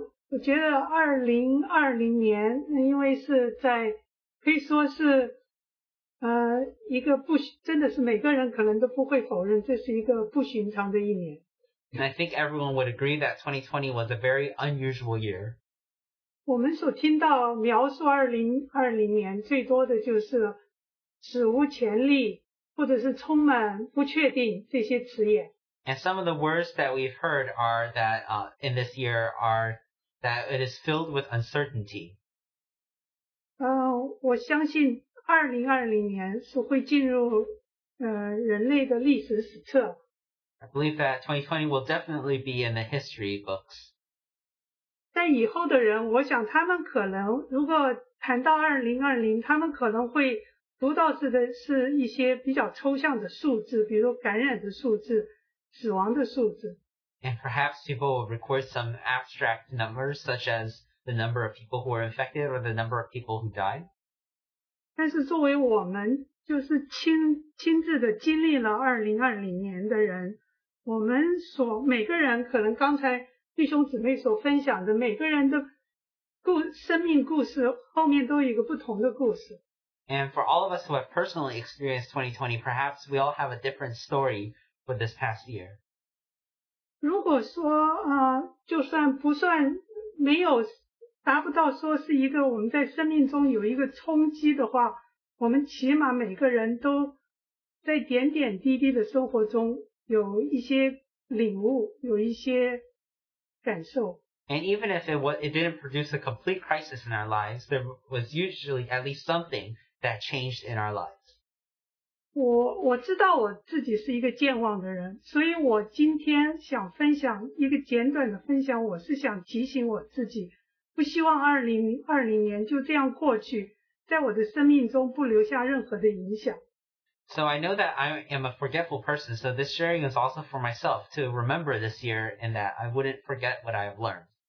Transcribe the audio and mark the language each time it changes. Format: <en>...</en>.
<zh>我觉得2020年，因为是在，可以说是一个不，真的是每个人可能都不会否认，这是一个不寻常的一年。</zh> <en>And I think everyone would agree that 2020 was a very unusual year.</en> <zh>我们所听到描述2020年最多的就是史无前例，或者是充满不确定这些词眼。</zh> <en>And some of the words that we've heard are that in this year are that it is filled with uncertainty.</en> <zh>我相信2020年是会进入人类的历史史册。</zh> <en>I believe that 2020 will definitely be in the history books.</en> <zh>但以后的人，我想他们可能，如果谈到2020，他们可能会读到是一些比较抽象的数字，比如感染的数字，死亡的数字。</zh> <en>And perhaps people will record some abstract numbers, such as the number of people who were infected or the number of people who died.</en> <zh>但是作为我们就是亲自的经历了2020年的人，我们所每个人可能刚才弟兄姊妹所分享的每个人的生命故事后面都有一个不同的故事。</zh> <en>And for all of us who have personally experienced 2020, perhaps we all have a different story for this past year.</en> <zh>如果说就算不算没有达不到说是一个我们在生命中有一个冲击的话，我们起码每个人都在点点滴滴的生活中有一些领悟，有一些感受。</zh> <en>And even if it didn't produce a complete crisis in our lives, there was usually at least something that changed in our lives.</en> <zh>我知道我自己是一个健忘的人，所以我今天想分享一个简短的分享，我是想提醒我自己，不希望2020年就这样过去，在我的生命中不留下任何的影响。</zh> <en>So I know that I am a forgetful person, so this sharing is also for myself to remember this year and that I wouldn't forget what I have learned.</en>